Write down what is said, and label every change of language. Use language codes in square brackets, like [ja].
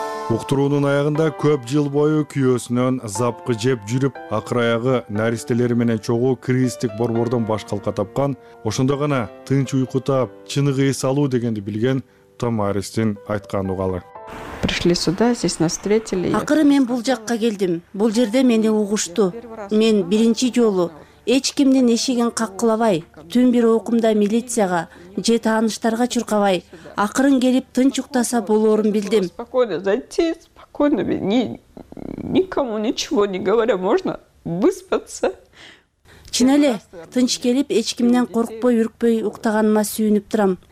[ky] Уктуруунун аягында көп жыл бою күйөөсүнөн запкы жеп жүрүп, акыр аягы наристелери менен чогуу кризистик борбордон баш калка тапкан, ошондо гана тынч уйку таап, чыныгы эс алуу дегенди билген Томаристин айткан угалы. [ru] Пришли сюда, здесь нас встретили. [ky] Акыры мен бул жакка келдим. Бул жерде мени угушту. Мен биринчи жолу эч кимдин эшигин каккылабай, түн бир укумда милицияга же тааныштарга чуркабай, акырын келип тынч уктаса болоорун билдим. [ru] Спокойно зайти, спокойно, никому ничего не говоря, можно выспаться. [ky] Чын эле, тынч келип эч кимден коркпой, үркпөй уктаганыма сүйүнүп турам.